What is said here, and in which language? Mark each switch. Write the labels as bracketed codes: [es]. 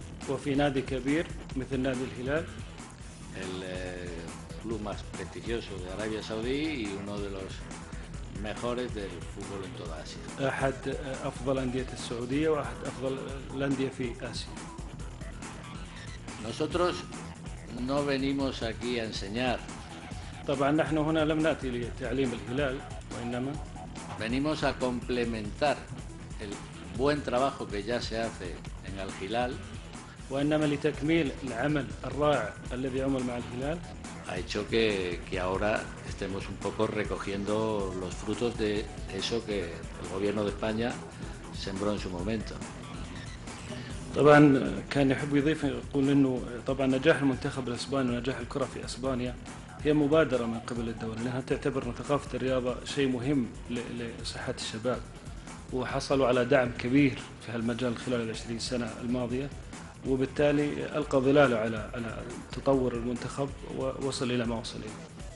[ar] وفي نادي كبير مثل نادي الهلال. [es] El club más prestigioso de Arabia Saudí y uno de los mejores del fútbol en toda Asia. [ar] أحد أفضل أندية السعودية وأحد أفضل الأندية في آسيا. [es] Nosotros no venimos aquí a enseñar. [ar] طبعا نحن هنا لم نأتي لتعليم الهلال وإنما [es] venimos a complementar el buen trabajo que ya se hace en Al Hilal. [ar] وإنما لتكميل العمل الرائع الذي عمل مع الهلال. [es] Ha hecho que ahora estemos un poco recogiendo los frutos de eso que el gobierno de España sembró en su momento. [ar] طبعا كان يحب يضيف يقول انه طبعا نجاح المنتخب الاسباني ونجاح الكره في اسبانيا هي مبادره من قبل الدوله لانها تعتبر ثقافه الرياضه شيء مهم لصحه الشباب وحصلوا على دعم كبير في هالمجال خلال العشرين سنه الماضيه وبالتالي القى ظلاله على تطور المنتخب ووصل الى ما وصل اليه.